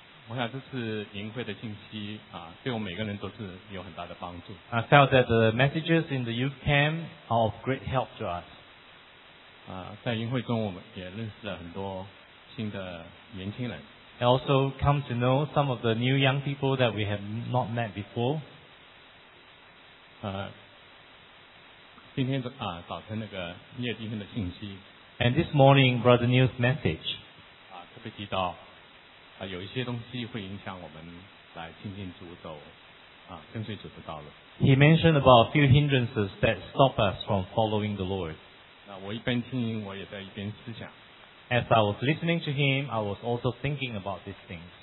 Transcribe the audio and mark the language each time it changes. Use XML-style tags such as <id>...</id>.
<zh>我想这次营会的信息对我每个人都是有很大的帮助。</zh> <en>I felt that the messages in the youth camp are of great help to us.</en> <zh>在营会中我们也认识了很多新的年轻人。</zh> <en>I also come to know some of the new young people that we have not met before.</en> <zh>今天的早晨那个聂弟兄的信息。</zh> <en>And this morning, Brother Neil's message.</en> <zh>特别提到有一些东西会影响我们来亲近主走跟随主的道路。</zh> <en>He mentioned about a few hindrances that stop us from following the Lord.</en> <zh>我一边听我也在一边思想。</zh> <en>As I was listening to him, I was also thinking about these things.</en>